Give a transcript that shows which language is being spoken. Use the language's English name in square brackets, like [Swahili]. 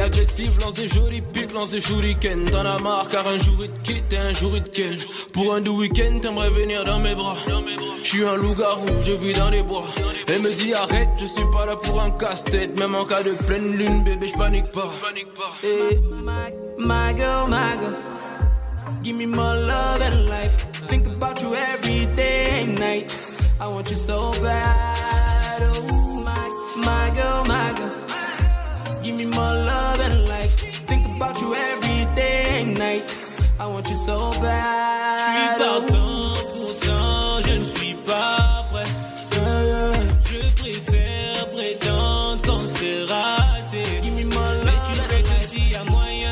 [French] Agressive, lance des jolies piques, lance des shurikens. T'en as marre car un jour il te quitte et un jour il te quitte. Pour un doux week-end, t'aimerais venir dans mes bras. J'suis un loup-garou, je vis dans les bois. Elle me dit arrête, je suis pas là pour un casse-tête. Même en cas de pleine lune, bébé, j'panique pas. Et [English] my girl, give me more love and life. Think about you every day and night. I want you so bad, oh. My girl, give me more love and life. Think about you every day and night. I want you so bad. [French] Tu es partant, pourtant je ne suis pas prêt. Je préfère prétendre quand c'est raté. [English] Give me more love. [French] Mais tu sais que s'il y a moyen,